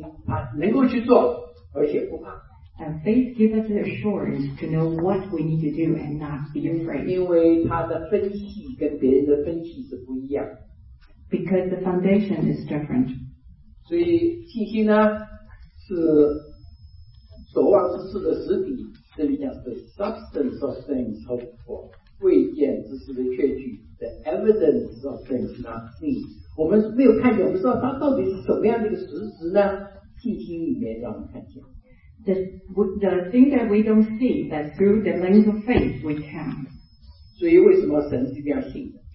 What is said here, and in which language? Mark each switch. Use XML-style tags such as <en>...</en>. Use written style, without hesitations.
<zh>信心的意思是让人有把握，知道该做的事情，他能够去做，而且不怕。</zh> <en>And faith gives us the assurance to know what we need to do and not be afraid.</en> <zh>因为他的分析跟别人的分析是不一样。</zh> <en>Because the foundation is different.</en> <zh>所以信心呢，是所望之事的实底。这里讲的</zh> <en>substance of things hoped for，</en> <zh>未见之事的确据。</zh> <en>The evidence of things not seen，</en> <zh>我们没有看见，我们不知道它到底是什么样的一个实质呢？信心里面让我们看见。</zh> <en>The thing that we don't see, that through the lens of faith we can.</en> <zh>所以为什么神一定要信？</zh>